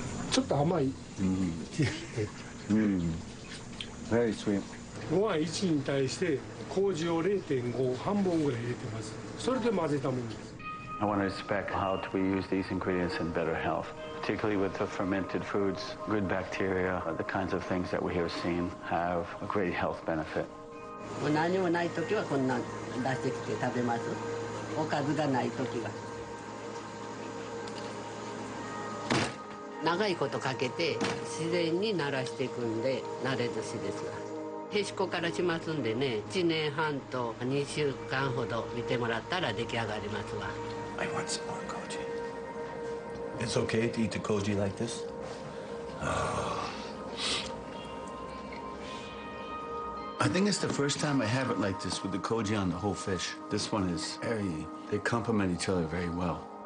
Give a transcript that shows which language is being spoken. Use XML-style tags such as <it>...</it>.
<ja>ちょっと甘い。</ja> <en>Very sweet.</en> <ja>ご飯1に対して麹を 0.5 半分ぐらい入れてます。それで混ぜたものです。</ja> <en>I want to inspect how we use these ingredients in better health, particularly with the fermented foods, good bacteria, the kinds of things that we have seen have a great health benefit.</en> <ja>もう何もない時はこんなん出してきて食べます。おかずがない時は。長いことかけて自然に慣らしていくんで慣れ寿司ですわ。へしこからしますんでね、1年半と2週間ほど見てもらったら出来上がりますわ。</ja> <en>I want some more koji. It's okay to eat the koji like this? I think it's the first time I have it like this with the koji on the whole fish. This one is very, they complement each other very well.</en>